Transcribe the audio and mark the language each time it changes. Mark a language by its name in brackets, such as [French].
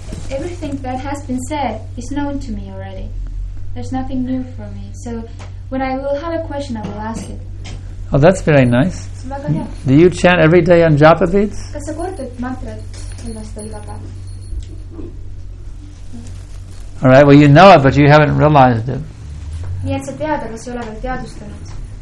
[English] Everything that has been said is known to me already. There's nothing new for me. So when I will have a question, I will ask it. Oh, that's very nice. Do you chant every day on Japa beads? [Estonian] Kas sa kordad mantrat ennast iga päev? [English] All right, well, you know it, but you haven't realized it. [Estonian] Nii et sa tead, aga sa ole veel teadustanud.